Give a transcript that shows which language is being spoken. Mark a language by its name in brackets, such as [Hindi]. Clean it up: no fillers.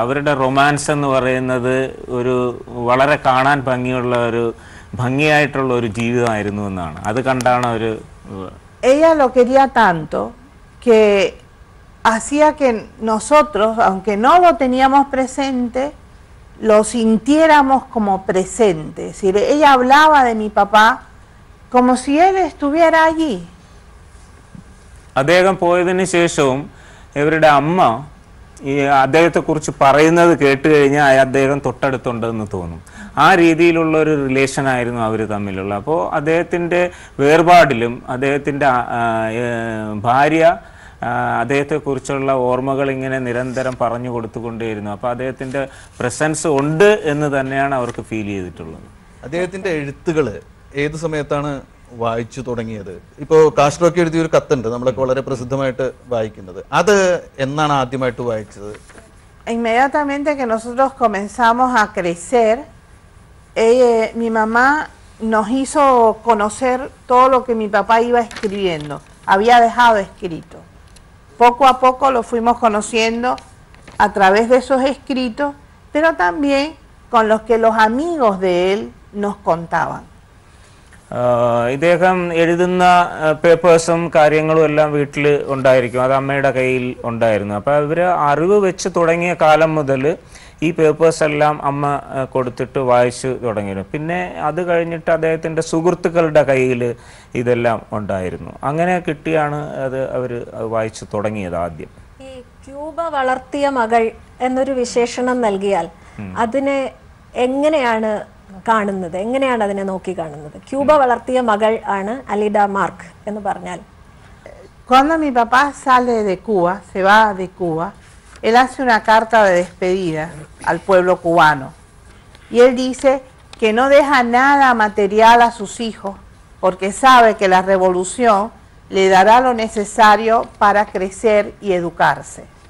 [Malayalam] അവരുടെ റൊമാൻസ് എന്ന് പറയുന്നത് ഒരു വളരെ കാണാൻ ഭംഗിയുള്ള ഒരു ഭംഗിയായിട്ടുള്ള ഒരു ജീവിതമായിരുന്നു എന്നാണ്. അത് കണ്ടാണ് അവർ [Spanish] ella lo quería tanto que hacía que nosotros aunque no lo teníamos presente lo sintiéramos como presente. Es decir, ella hablaba de mi papá como si él estuviera allí. [Malayalam] അദ്ദേഹം പോയതിന് ശേഷവും ഇവരുടെ അമ്മ ഈ അദ്ദേഹത്തെ കുറിച്ച് പറയുന്നത് കേട്ട് കഴിഞ്ഞാൽ അദ്ദേഹം തൊട്ടടുത്തുണ്ടെന്ന് തോന്നും. ആ രീതിയിലുള്ള ഒരു റിലേഷൻ ആയിരുന്നു അവർ തമ്മിലുള്ള. അപ്പോൾ അദ്ദേഹത്തിൻ്റെ വേർപാടിലും അദ്ദേഹത്തിൻ്റെ ഭാര്യ അദ്ദേഹത്തെക്കുറിച്ചുള്ള ഓർമ്മകൾ ഇങ്ങനെ നിരന്തരം പറഞ്ഞു കൊടുത്തുകൊണ്ടേയിരുന്നു. അപ്പോൾ അദ്ദേഹത്തിൻ്റെ പ്രസൻസ് ഉണ്ട് എന്ന് തന്നെയാണ് അവർക്ക് ഫീൽ ചെയ്തിട്ടുള്ളത്. അദ്ദേഹത്തിൻ്റെ എഴുത്തുകൾ ഏത് സമയത്താണ് വായിച്ചു തുടങ്ങിയത്? ഇപ്പോ കാസ്ട്രോക്ക് എഴുതിയ ഒരു കത്തുണ്ട് നമ്മളൊക്കെ വളരെ പ്രസിദ്ധമായിട്ട് വായിക്കുന്നത്, അത് എന്നാണ് ആദ്യമായിട്ട് വായിച്ചത്? [Spanish] Inmediatamente que nosotros comenzamos a crecer, ella, mi mamá nos hizo conocer todo lo que mi papá iba escribiendo, había dejado escrito. Poco a poco lo fuimos conociendo a través de esos escritos, pero también con los que los amigos de él nos contaban. [Malayalam] ഇദ്ദേഹം എഴുതുന്ന പേപ്പേഴ്സും കാര്യങ്ങളും എല്ലാം വീട്ടിൽ ഉണ്ടായിരിക്കും, അത് അമ്മയുടെ കയ്യിൽ ഉണ്ടായിരുന്നു. അപ്പം ഇവർ അറിവ് വെച്ച് തുടങ്ങിയ കാലം മുതൽ ഈ പേപ്പേഴ്സെല്ലാം അമ്മ കൊടുത്തിട്ട് വായിച്ചു തുടങ്ങിയിരുന്നു. പിന്നെ അത് കഴിഞ്ഞിട്ട് അദ്ദേഹത്തിൻ്റെ സുഹൃത്തുക്കളുടെ കയ്യിൽ ഇതെല്ലാം ഉണ്ടായിരുന്നു. അങ്ങനെ കിട്ടിയാണ് അത് അവർ വായിച്ചു തുടങ്ങിയത് ആദ്യം. ഈ ക്യൂബ വളർത്തിയ മകൾ എന്നൊരു വിശേഷണം നൽകിയാൽ അതിനെ എങ്ങനെയാണ് കാണുന്നത്, എങ്ങനെയാണ് അതിനെ നോക്കി കാണുന്നത്? ക്യൂബ വളർത്തിയ മകൾ ആണ് അലിഡ മാർക്ക് എന്ന് പറഞ്ഞാൽ. [Spanish] Cuando mi papá sale de Cuba, se va de Cuba, él hace una carta de despedida al pueblo cubano. Y él dice que no deja nada material a sus hijos porque sabe que la revolución le dará lo necesario para crecer y educarse.